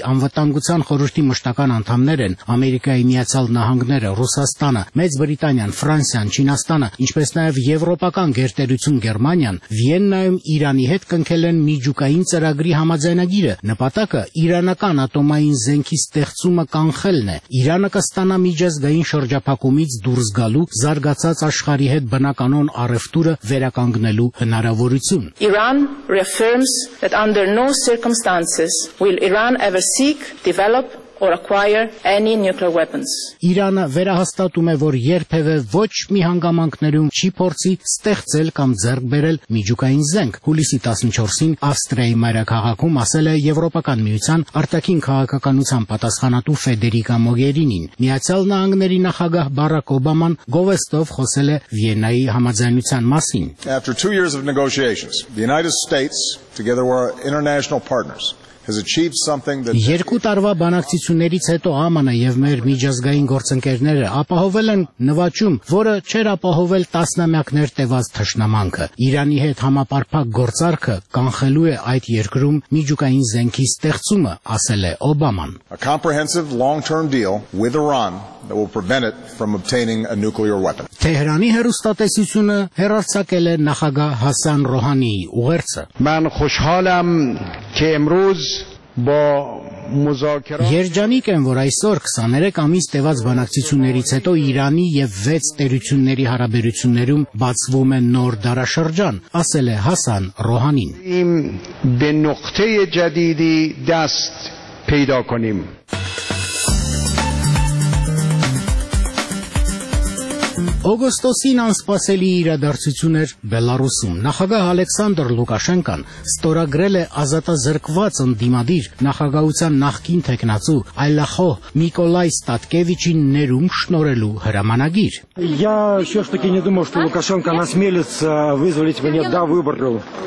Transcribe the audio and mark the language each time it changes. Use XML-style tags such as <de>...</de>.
<hy>անվտանգության խորհրդի մշտական անդամներ են՝ Ամերիկայի Միացյալ Նահանգները, Ռուսաստանը, Մեծ Բրիտանիան, Ֆրանսիան, Չինաստանը, ինչպես նաև Եվրոպական Գերտերություն Գերմանիան, Վիեննայում Իրանի հետ կնքել են միջուկային ծրագրի համաձայնագիրը։ Նպատակը իրանական ատոմային զենքի ստեղծումը կանխելն է։ Իրանը կստանա միջազգային շրջափակումից դուրս գալու զարգացած աշխարհի հետ բնականոն առևտուրը վերականգնելու հնարավորություն։</hy> <en>Iran reaffirms that under no circumstances will Iran ever seek, develop or acquire any nuclear weapons.</en> <hy>Իրանը վերահաստատում է, որ երբևէ ոչ մի հանգամանքներում չի փորձի ստեղծել կամ ձեռք բերել միջուկային զենք։ Հուլիսի 14-ին Ավստրիայի մայրաքաղաքում ասել է Եվրոպական միության արտաքին քաղաքականության պատասխանատու Ֆեդերիկա Մոգերինին։ Միացյալ Նահանգների նախագահ Բարակ Օբաման գովեստով խոսել է Վիեննայի համաձայնության մասին։</hy> <en>After 2 years of negotiations, the United States together with our international partners has achieved something that</en> <hy>2 տարվա բանակցություններից հետո ԱՄՆ-ը եւ մեր միջազգային գործընկերները ապահովել են նվաճում, որը չեր ապահովել տասնամյակներ տևած թշնամանքը։ Իրանի հետ համապարփակ գործարքը կանխելու է այդ երկրում միջուկային զենքի ստեղծումը, ասել է Օբաման։</hy> <en>A comprehensive long-term deal with Iran that will prevent it from obtaining a nuclear weapon.</en> <hy>Թեհրանի հեռուստատեսությունը հերարցակել է նախագահ Հասան Ռոհանիի ուղերձը։</hy> <fa>Ման խոշհալամ քե ամրուզ բա մուզակերա</fa> <hy>Երջանիկ են, որ այսօր 23 ամիս տևած բանակցություններից հետո Իրանի եւ 6 տերությունների հարաբերություններում բացվում է նոր դարաշրջան, ասել է Հասան Ռոհանին։</hy> <fa>Իմ բնուկտե ջադիդի դաստ պեյդա կունիմ։</fa> <hy>Օգոստոսին անսպասելի իրադարձություններ Բելարուսում։ Նախագահ Ալեքսանդր Լուկաշենկան ստորագրել է ազատազրկված ընդդիմադիր նախագահության նախկին թեկնածու Այլախոհ Նիկոլայ Ստատկևիչին ներում շնորելու հրամանագիր։</hy> <ru>Я всё ж таки не думал, что Лукашенко насмелится вызволить меня до выборов.</ru>